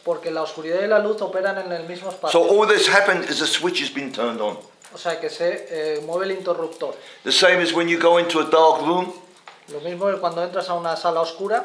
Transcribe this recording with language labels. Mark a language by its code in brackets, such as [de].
[es] Porque la oscuridad y la luz operan en el mismo espacio. [en] So all that's happened is the switch has been turned on. [es] O sea, que se mueve el interruptor. [en] The same as when you go into a dark room. [es] Lo mismo que cuando entras a una sala oscura.